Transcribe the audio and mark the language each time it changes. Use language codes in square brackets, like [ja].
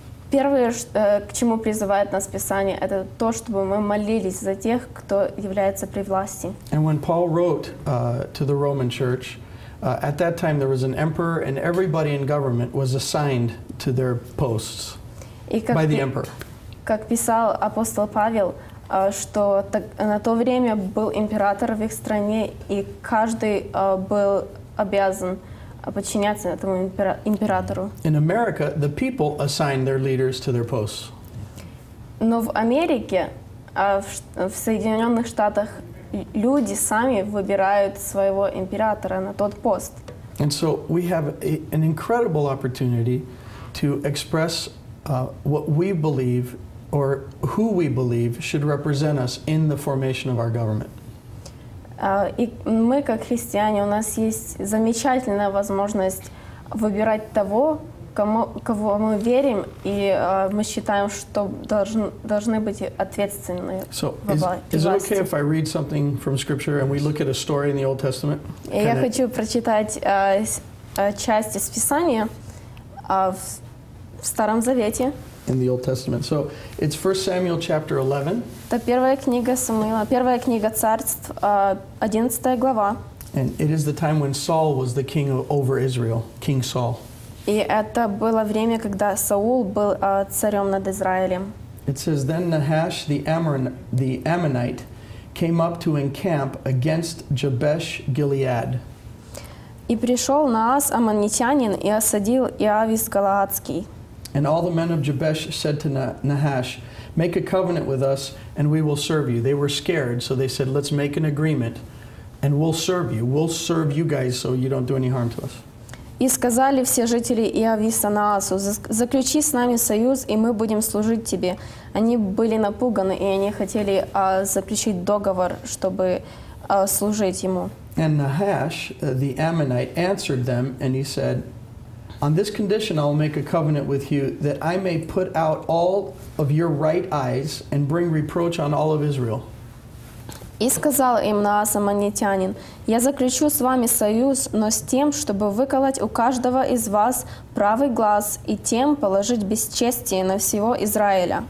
[ru] Первое, к чему призывает нас Писание, это то, чтобы мы молились за тех, кто является при власти. [en] And when Paul wrote to the Roman church, at that time there was an emperor and everybody in government was assigned to their posts by the emperor. [ru] Как писал апостол Павел, что на то время был император в их стране, и каждый был обязан подчиняться этому императору. [en] In America, the people assign their leaders to their posts. [ru] Но в Америке, в Соединенных Штатах, люди сами выбирают своего императора на тот пост. [en] And so we have an incredible opportunity to express what we believe or who we believe should represent us in the formation of our government. [ru] И мы, как христиане, у нас есть замечательная возможность выбирать того, кого мы верим, и мы считаем, что должны быть ответственны. [en] So, is it okay if I read something from Scripture and we look at a story in the Old Testament? [ru] Я хочу прочитать часть из Писания в Старом Завете. [en] In the Old Testament. So it's 1 Samuel chapter 11. [ru] Это первая книга Самуила, первая книга царств, 11 глава. [en] And it is the time when Saul was the king over Israel, King Saul. [ru] И это было время, когда Саул был царем над Израилем. [en] It says, then Nahash the Ammonite came up to encamp against Jabesh-Gilead. [ru] И пришел Наас, аммонитянин, и осадил Иавис Галаадский. [en] And all the men of Jabesh said to Nahash, make a covenant with us, and we will serve you. They were scared, so they said, let's make an agreement, and we'll serve you. We'll serve you guys so you don't do any harm to us. [ru] И сказали все жители Иависа Наасу, заключи с нами союз, и мы будем служить тебе. Они были напуганы, и они хотели заключить договор, чтобы [uk] служить йому. [en] And Nahash, the Ammonite, answered them, and he said, "On this condition I will make a covenant with you, that I may put out all of your right eyes and bring reproach on all of Israel." [uk] І сказав їм Нааса Манітянин, «Я заключу з вами союз, но з тим, щоб виколоти у кожного із вас правий глаз і тим положити безчестя на всього Ізраїля».